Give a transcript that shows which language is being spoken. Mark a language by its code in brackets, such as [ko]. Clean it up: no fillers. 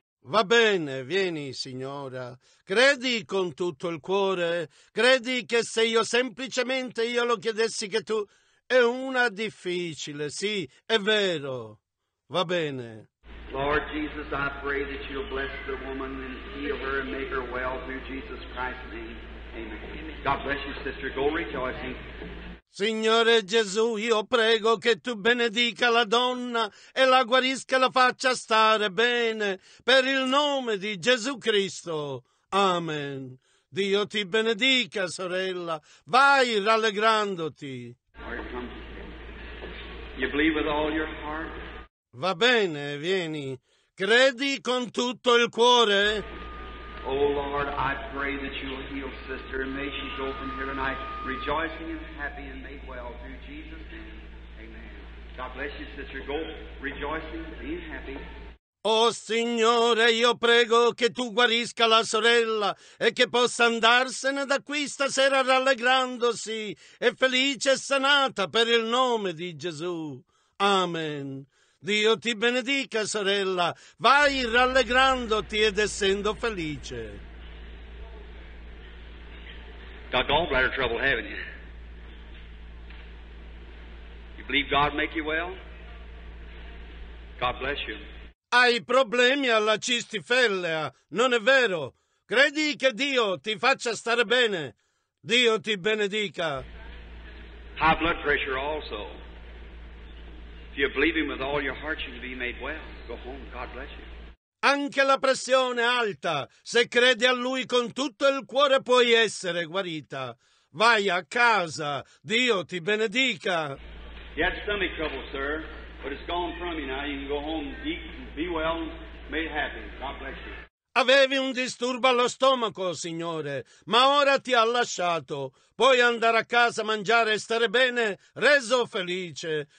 [it] Va bene, vieni signora, credi con tutto il cuore, credi che se io semplicemente io lo chiedessi che tu... È una difficile, sì, è vero, va bene. [en] Lord Jesus, I pray that you'll bless the woman and heal her and make her well through Jesus Christ's name. Amen. God bless you, sister. Go rejoicing. [it] Signore Gesù, io prego che tu benedica la donna e la guarisca e la faccia stare bene per il nome di Gesù Cristo. Amen. Dio ti benedica, sorella. Vai rallegrandoti. [en] You believe with all your heart? [it] Va bene, vieni. Credi con tutto il cuore? [en] Oh Lord, I pray that you will heal sister and may she go from here tonight rejoicing and happy and made well through Jesus' name. Amen. God bless you, sister. Go rejoicing, be happy. [it] Oh Signore, io prego che tu guarisca la sorella e che possa andarsene da qui stasera rallegrandosi e felice e sanata per il nome di Gesù. Amen. Dio ti benedica, sorella. Vai rallegrandoti ed essendo felice. [en] Got gallbladder trouble, haven't you? You believe God make you well? God bless you. [it] Hai problemi alla cistifellea, non è vero? Credi che Dio ti faccia stare bene? Dio ti benedica. [en] High blood pressure also. If you believe him with all your heart, you'll be made well. Go home. God bless you. [it] Anche la pressione alta, se credi a lui con tutto il cuore, puoi essere guarita. Vai a casa. Dio ti benedica. [en] You had stomach trouble, sir, but it's gone from you now. You can go home, eat, be well, made happy. God bless you. [it] Avevi un disturbo allo stomaco, signore, ma ora ti ha lasciato. Puoi andare a casa, mangiare e stare bene, reso felice.